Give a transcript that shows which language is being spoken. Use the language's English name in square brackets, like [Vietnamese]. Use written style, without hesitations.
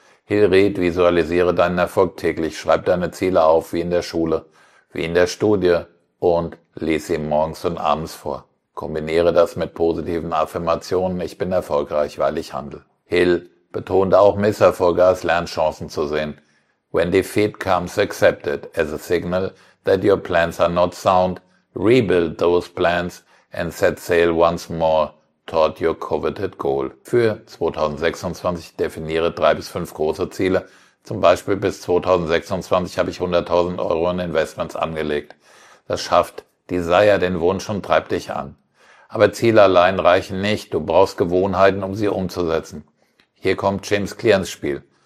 [German] Hill riet, visualisiere deinen Erfolg täglich, schreib deine Ziele auf, wie in der Schule, wie in der Studie, und lies sie morgens und abends vor. Kombiniere das mit positiven Affirmationen, ich bin erfolgreich, weil ich handle. Hill betonte auch Misserfolge als Lernchancen zu sehen. [English] When defeat comes, accept it as a signal that your plans are not sound, rebuild those plans and set sail once more toward your coveted goal. [German] Für 2026 definiere 3 bis 5 große Ziele. Zum Beispiel bis 2026 habe ich 100.000 Euro in Investments angelegt. Das schafft Desire, den Wunsch, und treibt dich an. Aber Ziele allein reichen nicht. Du brauchst Gewohnheiten, um sie umzusetzen. Hier kommt James Clear ins Spiel.